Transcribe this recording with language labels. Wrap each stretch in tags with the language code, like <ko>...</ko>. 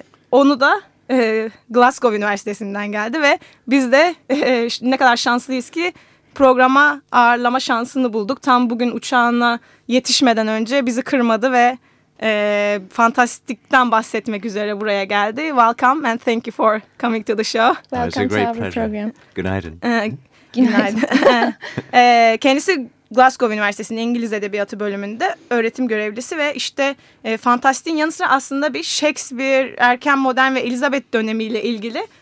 <tr>Onu da Glasgow Üniversitesi'nden geldi ve biz de ne kadar şanslıyız ki programa ağırlama şansını bulduk. Tam bugün uçağına yetişmeden önce bizi kırmadı ve fantastikten bahsetmek üzere buraya geldi.</tr> <en>Welcome and thank you for coming to the show. Welcome to our program.</en> <tr>Günaydın. Günaydın. Kendisi Glasgow Üniversitesi'nin İngiliz Edebiyatı bölümünde öğretim görevlisi ve işte fantastiğin yanı sıra aslında bir Shakespeare, erken modern ve Elizabeth dönemiyle ilgili.</tr>